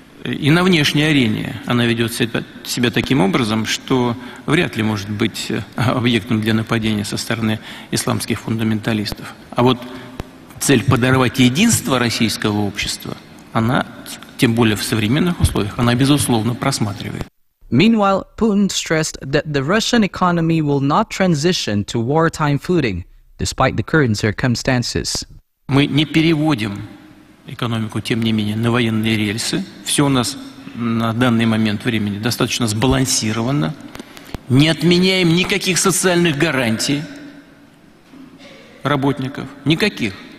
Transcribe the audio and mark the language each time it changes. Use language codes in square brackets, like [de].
[ru] И на внешней арене она ведет себя таким образом, что вряд ли может быть объектом для нападения со стороны исламских фундаменталистов. А вот цель подорвать единство российского общества, она, тем более в современных условиях, она безусловно просматривает. [en] Meanwhile, Putin stressed that the Russian economy will not transition to wartime footing, despite the current circumstances. [ru] Мы не переводим экономику, тем не менее, на военные рельсы. Все у нас на данный момент времени достаточно сбалансировано. Не отменяем никаких социальных гарантий работников. Никаких.